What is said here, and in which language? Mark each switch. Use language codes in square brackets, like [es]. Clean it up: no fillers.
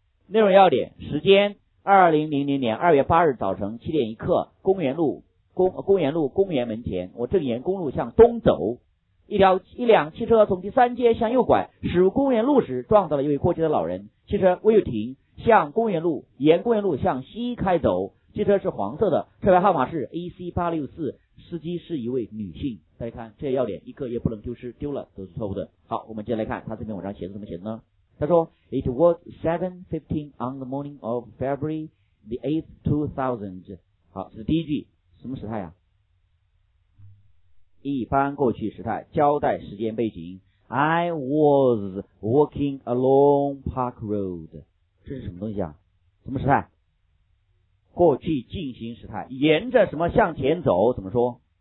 [zh] 内容要点，时间2000年2月8日早晨7:01，公园路公园门前，我正沿公路向东走，一辆汽车从第三街向右拐，驶入公园路时撞到了一位过街的老人，汽车未停，向公园路沿公园路向西开走，汽车是黄色的，车牌号码是 AC864， 司机是一位女性。大家看这些要点，一个也不能丢失，丢了都是错误的。好，我们接下来看他这篇文章写的怎么写的呢。他说 [en] It was 7:15 on the morning of February the 8th 2000。 [zh] 好，这是第一句，什么时态啊？一般过去时态，交代时间背景。 [en] I was walking along Park Road， [zh] 这是什么东西啊？什么时态？过去进行时态，沿着什么向前走，怎么说？